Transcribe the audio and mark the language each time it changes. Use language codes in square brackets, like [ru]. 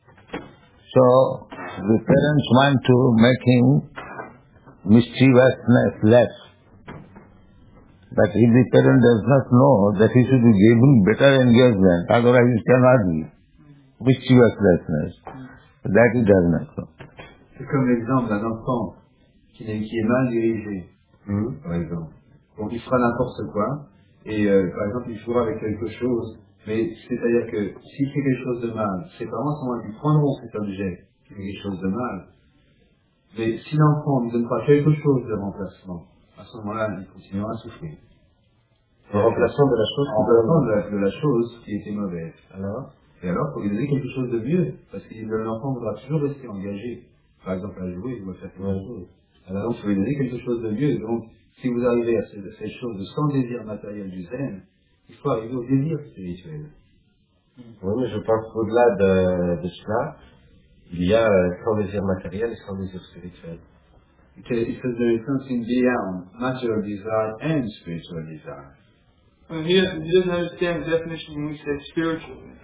[en] So, the parents want to make him mischievousness less. But if the parent does not know that he should be giving better engagement, otherwise he cannot be mischievousness. That he does not know. [fr] C'est comme l'exemple d'un enfant qui est mal dirigé, par exemple. Donc il fera n'importe quoi. Et par exemple, il jouera avec quelque chose, mais c'est-à-dire que s'il fait quelque chose de mal, ses parents sont là, ils prendront cet objet qui fait quelque chose de mal. Mais si l'enfant ne donne pas quelque chose de remplacement, à ce moment-là, il continuera à souffrir. le remplaçant de la chose en qui était de la chose qui était mauvaise. Alors, et alors, il faut lui donner quelque chose de mieux, parce que l'enfant voudra toujours rester engagé, par exemple à jouer ou à faire quelque chose. Alors, il faut lui donner quelque chose de mieux. Donc, si vous arrivez à cette chose sans désir matériel du zen, il faut arriver au désir spirituel. Oui, mais je pense qu'au-delà de cela, il y a sans désir matériel et sans désir spirituel. [en] Because it says there is something beyond material desire and spiritual desire. And he doesn't understand the definition when we say spiritual.